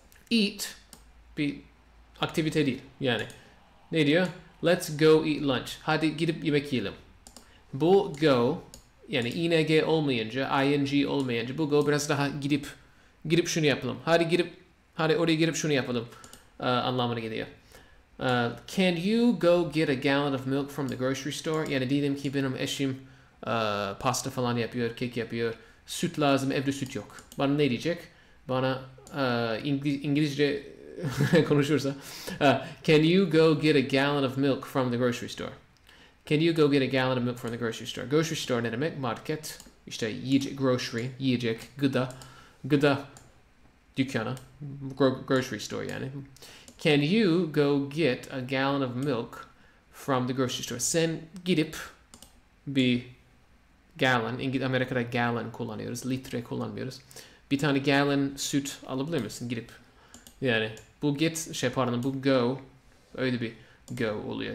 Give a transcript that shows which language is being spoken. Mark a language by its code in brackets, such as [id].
[tr] Eat bir aktivite değil. Yani ne diyor? [en] Let's go eat lunch. [tr] Hadi gidip yemek yiyelim. Bu go, yani ing olmayınca, ing olmayınca bu go biraz daha gidip şunu yapalım. Hadi oraya girip şunu yapalım anlamına geliyor. [en] Can you go get a gallon of milk from the grocery store? [tr] Yani diyelim ki benim eşim pasta falan yapıyor, kek yapıyor. Süt lazım, evde süt yok. Bana ne diyecek? Bana İngilizce konuşursa. [en] Can you go get a gallon of milk from the grocery store? Can you go get a gallon of milk from the grocery store? [tr] Grocery store ne demek? Market. İşte yiyecek, grocery, yiyecek, gıda. Gıda dükkanı. Grocery store yani. Can you go get a gallon of milk from the grocery store? Sen gidip bir gallon, Amerika'da gallon kullanıyoruz, litre kullanmıyoruz. Bir tane gallon süt alabilir misin gidip? Yani bu git, şey pardon, bu go, öyle bir go oluyor.